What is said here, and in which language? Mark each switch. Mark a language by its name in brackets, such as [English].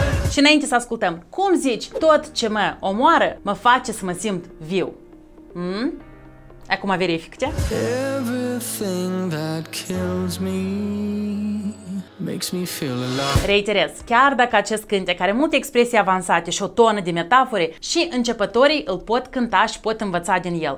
[Romanian] Și înainte să ascultăm, cum zici, tot ce mă omoară mă face să mă simt viu? Acum verifică-te. [English] Everything that kills me makes me feel alive. [Romanian] Reiterez, chiar dacă acest cântec are multe expresii avansate și o tonă de metafore, și începătorii îl pot cânta și pot învăța din el.